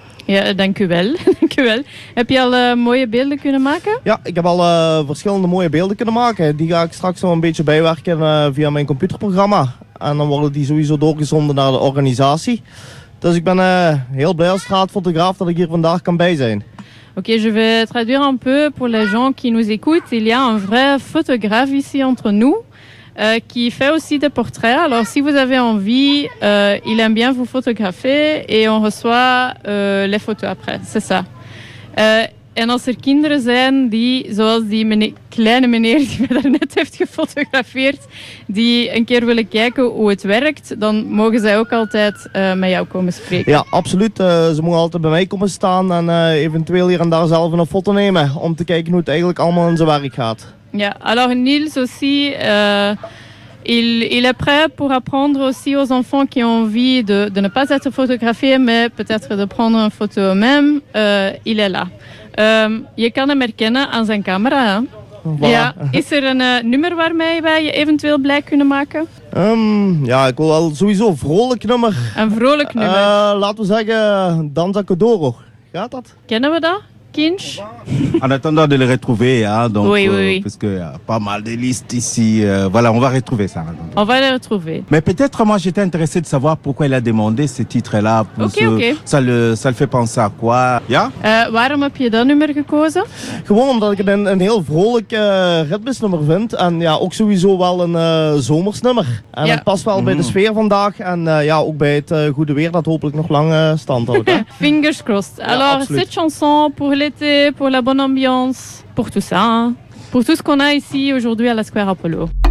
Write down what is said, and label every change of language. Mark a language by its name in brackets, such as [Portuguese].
[Dutch] Ja, dank u wel. Dank u wel. Heb je al mooie beelden kunnen maken? Ja, ik heb al verschillende mooie beelden kunnen maken. Die ga ik straks nog een beetje bijwerken via mijn computerprogramma. En dan worden die sowieso doorgezonden naar de organisatie. Dus ik ben heel blij als straatfotograaf dat ik hier vandaag kan bij zijn. [French] Oké, je vais traduire un peu pour les gens qui nous écoutent. Il y a un vrai photographe ici entre nous. Qui fait aussi des portraits. Alors, si vous avez envie, il aime bien vous photographier et on reçoit les photos après. C'est ça. [Dutch] En als er kinderen zijn die, zoals die kleine meneer die me daarnet heeft gefotografeerd, die een keer willen kijken hoe het werkt, dan mogen zij ook altijd met jou komen spreken. Ja, absoluut. Ze mogen altijd bij mij komen staan en eventueel hier en daar zelf een foto nemen om te kijken hoe het eigenlijk allemaal in zijn werk gaat. [French] Ja, alors Niels aussi, il est prêt pour apprendre aussi aux enfants qui ont envie de ne pas être photographiés, mais peut-être de prendre une photo eux-mêmes. Il est là. [Dutch] Je kan hem herkennen aan zijn camera. Hè? [French] Voilà. [Dutch] Ja, is er een nummer waarmee wij je eventueel blij kunnen maken? Ja, ik wil wel sowieso een vrolijk nummer. Een vrolijk nummer? Laten we zeggen, Danza Kodoro. Gaat dat? Kennen we dat? Kinch. [French] En attendant de le retrouver, hein, donc, oui. Parce qu'il y a pas mal de listes ici. Voilà, on va retrouver ça. Attendant. On va les retrouver. Mais peut-être, moi, j'étais intéressé de savoir pourquoi il a demandé ce titre-là. Ok. Ça le fait penser à quoi. [English] Yeah? [Dutch] Waarom heb je dat nummer gekozen? Gewoon omdat ik het een heel vrolijk ritmesnummer vind. En ja, ook sowieso wel een zomersnummer. En ja. Het past wel bij de sfeer vandaag. En ja, ook bij het goede weer dat hopelijk nog lang stand houdt. [English] Fingers crossed. [Dutch] Ja, [French] alors, cette chanson pour l'été, pour la bonne ambiance, pour tout ça, hein. Pour tout ce qu'on a ici aujourd'hui à la Square Apollo.